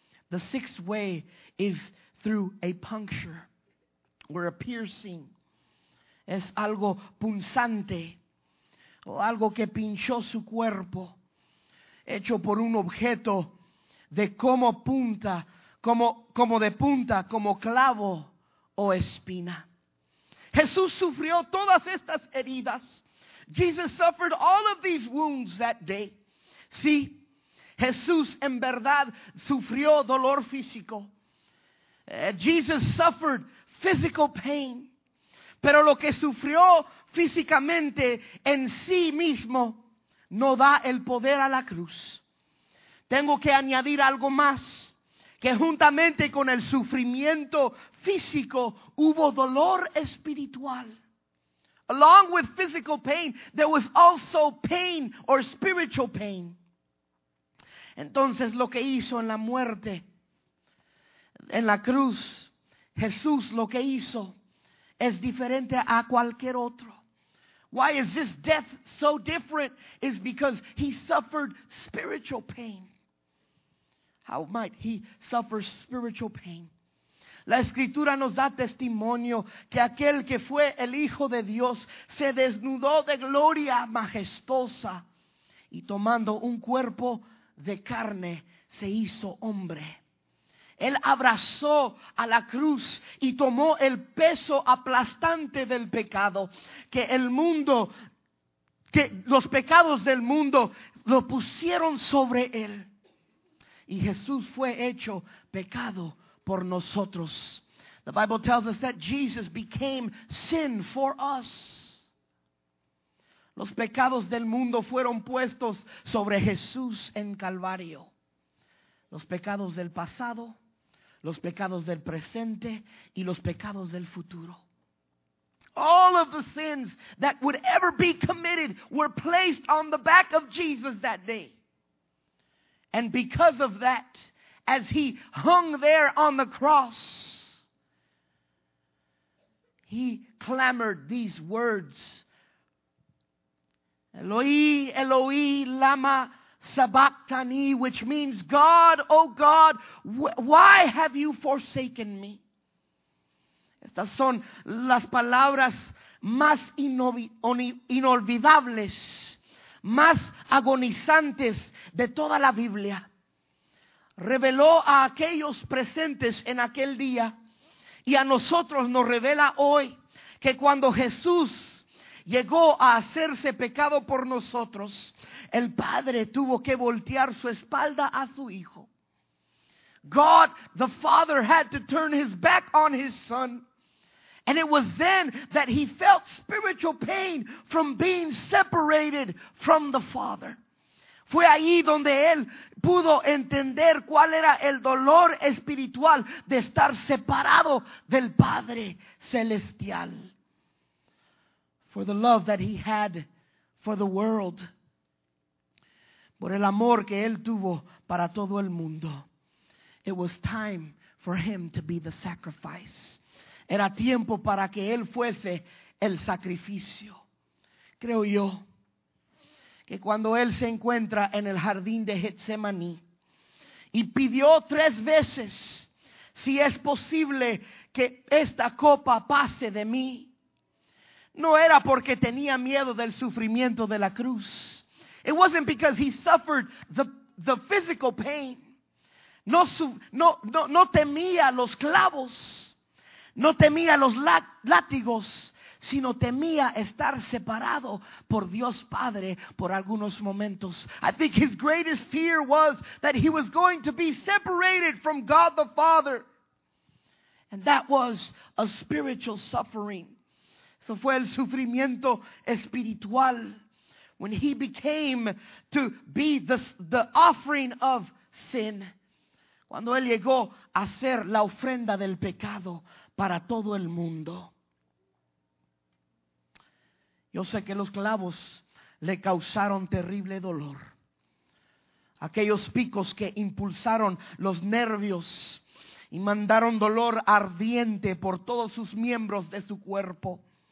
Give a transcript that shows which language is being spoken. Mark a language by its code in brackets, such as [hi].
[en] The sixth way is through a puncture or a piercing. [es] Es algo punzante o algo que pinchó su cuerpo, hecho por un objeto de como punta, como de punta, como clavo. O espina. Jesús sufrió todas estas heridas. [en] Jesus suffered all of these wounds that day. [es] Sí, Jesús en verdad sufrió dolor físico. [en] Jesus suffered physical pain. [es] Pero lo que sufrió físicamente en sí mismo no da el poder a la cruz. Tengo que añadir algo más. que juntamente con el sufrimiento físico hubo dolor espiritual. [en] Along with physical pain, there was also pain or spiritual pain. [es] Entonces lo que hizo en la muerte, en la cruz, Jesús lo que hizo es diferente a cualquier otro. [en] Why is this death so different? It's because he suffered spiritual pain. How might he suffer spiritual pain? [es] La escritura nos da testimonio que aquel que fue el Hijo de Dios se desnudó de gloria majestuosa y tomando un cuerpo de carne se hizo hombre. Él abrazó a la cruz y tomó el peso aplastante del pecado que el mundo, que los pecados del mundo lo pusieron sobre él. Y Jesús fue hecho pecado por nosotros. [en] The Bible tells us that Jesus became sin for us. [es] Los pecados del mundo fueron puestos sobre Jesús en Calvario. Los pecados del pasado, los pecados del presente y los pecados del futuro. [en] All of the sins that would ever be committed were placed on the back of Jesus that day. And because of that, as he hung there on the cross, he clamored these words. [arc] Eloi, Eloi, lama sabachthani, [en] which means, God, oh God, why have you forsaken me? [es] Estas son las palabras más inolvidables, más agonizantes de toda la Biblia. Reveló a aquellos presentes en aquel día y a nosotros nos revela hoy que cuando Jesús llegó a hacerse pecado por nosotros, el Padre tuvo que voltear su espalda a su Hijo. [en] God, the Father, had to turn his back on his Son. And it was then that he felt spiritual pain from being separated from the Father. [es] Fue ahí donde él pudo entender cuál era el dolor espiritual de estar separado del Padre Celestial. [en] For the love that he had for the world. [es] Por el amor que él tuvo para todo el mundo. [en] It was time for him to be the sacrifice. [es] Era tiempo para que él fuese el sacrificio. Creo yo que cuando él se encuentra en el jardín de Getsemaní y pidió tres veces si es posible que esta copa pase de mí, no era porque tenía miedo del sufrimiento de la cruz. [en] It wasn't because he suffered the physical pain. [es] No temía los clavos, no temía los látigos, sino temía estar separado por Dios Padre por algunos momentos. [en] I think his greatest fear was that he was going to be separated from God the Father. And that was a spiritual suffering. [es] Eso fue el sufrimiento espiritual. [en] When he became to be the offering of sin. [es] Cuando él llegó a ser la ofrenda del pecado para todo el mundo. Yo sé que los clavos le causaron terrible dolor. Aquellos picos que impulsaron los nervios y mandaron dolor ardiente por todos sus miembros de su cuerpo.